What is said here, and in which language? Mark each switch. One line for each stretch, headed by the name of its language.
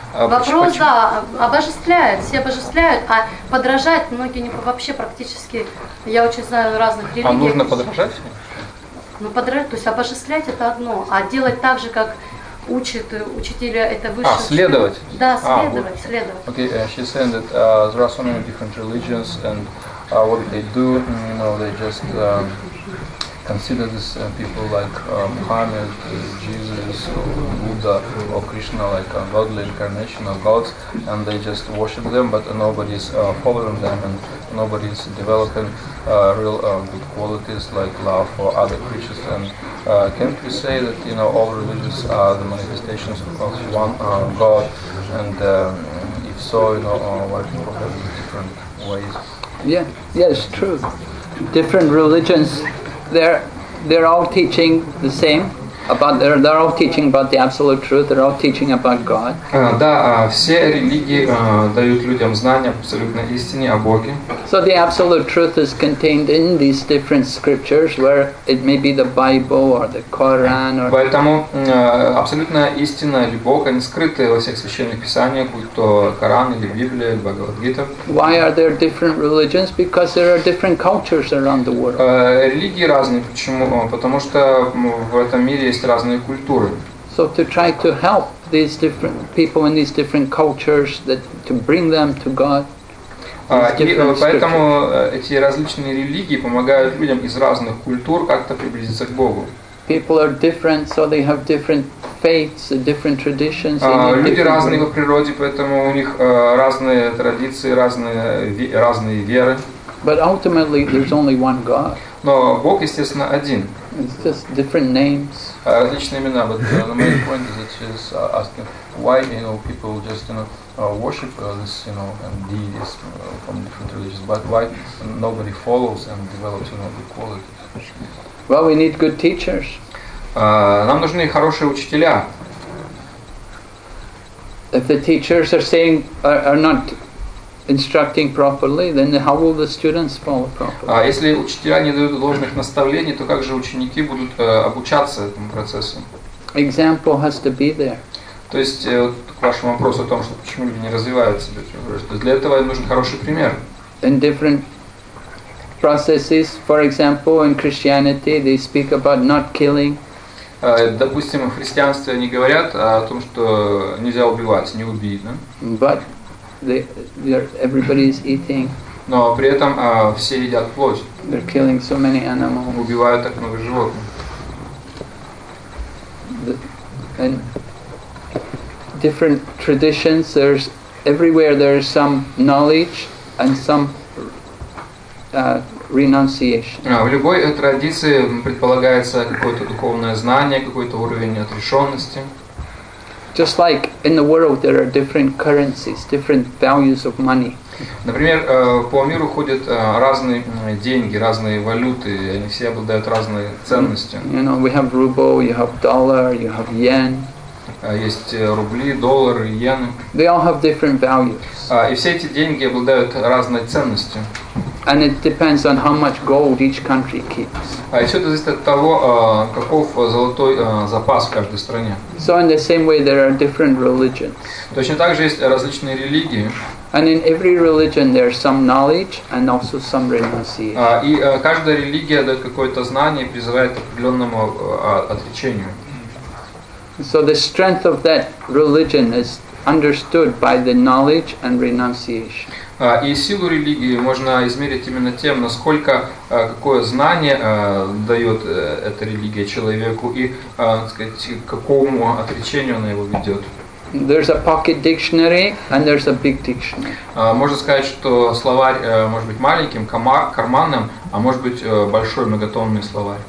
Russian: Вопрос, да, обожествляют, все обожествляют, а подражать многие не вообще практически, я очень знаю разных религий. А нужно подражать? Ну, подражать, то есть обожествлять это одно, а делать так же, как учат учителя, это высшее. А, следовать? Да, следовать.
English: Okay, she said that there are so many different religions, and what they do, you know, they just... consider these people like Muhammad, Jesus, or Buddha, or Krishna, like a godly incarnation of gods, and they just worship them, but nobody is following them, and nobody is developing real good qualities like love for other creatures. And can't we say that, you know, all religions are the manifestations of one God, and if so, you know, why people have different ways? Yeah, it's true. Different religions. They're all teaching the same about they're all teaching about the absolute truth. They're all teaching about God.
Russian: Да, все религии дают людям знания абсолютной истины о Боге.
English: So the absolute truth is contained in these different scriptures, where it may be the Bible or the Quran or.
Russian: Поэтому абсолютная истина или Бог они скрыты во всех священных писаниях, будь то Коран или Библия или Бхагавад-гита.
English: Why are there different religions? Because there are different cultures around the world.
Russian: Религии разные, почему? Потому что в этом мире есть разные культуры.
English: So to try to help these different people in these different cultures, that to bring them to God.
Russian: Поэтому эти различные религии помогают людям из разных культур как-то приблизиться к Богу.
English: People are different, so they have different faiths, different traditions.
Russian: Люди разные по природе, поэтому у них разные традиции, разные веры.
English: But ultimately, there's only one God.
Russian: Но Бог, естественно, один.
English: It's just different names.
Russian: Различные имена,
English: but the main point is that she's asking why, you know, people just, you know, worship this, you know, and deities from different religions, but why nobody follows and develops, you know, the qualities. Well, we need good teachers.
Russian: Нам нужны хорошие учителя.
English: If the teachers are saying are not instructing properly, then how will the students follow properly?
Russian: А если учителя не дают должных наставлений, то как же ученики будут обучаться этому процессу?
English: Example has to be there.
Russian: То есть вот к вашему вопросу о том, что почему люди не развивают себя, для этого им нужен хороший пример.
English: In different processes, for example, in Christianity, they speak about not killing.
Russian: Допустим, в христианстве они говорят о том, что нельзя убивать, не убить, да?
English: But everybody's eating.
Russian: Но при этом все едят плоть.
English: They're killing so many animals.
Russian: Убивают так много животных.
English: And different traditions, there's everywhere there is some knowledge and some renunciation.
Russian: В любой традиции предполагается какое-то духовное знание, какой-то уровень отрешенности.
English: Just like in the world there are different currencies, different values of money.
Russian: Например, по миру ходят разные деньги, разные валюты, они все обладают разной ценностью.
English: You know, we have ruble, you have dollar, you have yen.
Russian: Есть рубли, доллары, иены.
English: They all have different values.
Russian: И все эти деньги обладают разной ценностью.
English: And it depends on how much gold each country keeps.
Russian: И все это зависит от того, каков золотой запас в каждой стране.
English: So in the same way there are different religions.
Russian: Точно так же есть различные религии.
English: And in every religion there is some knowledge and also some renunciation.
Russian: И каждая религия дает какое-то знание и призывает к определенному отречению.
English: So the strength of that religion is understood by the knowledge and renunciation.
Russian: И силу религии можно измерить именно тем, насколько какое знание дает эта религия человеку и, так сказать, к какому отречению она его ведет.
English: There's a pocket dictionary and there's a big dictionary.
Russian: Можно сказать, что словарь может быть маленьким, карманным, а может быть большой, многотонный словарь.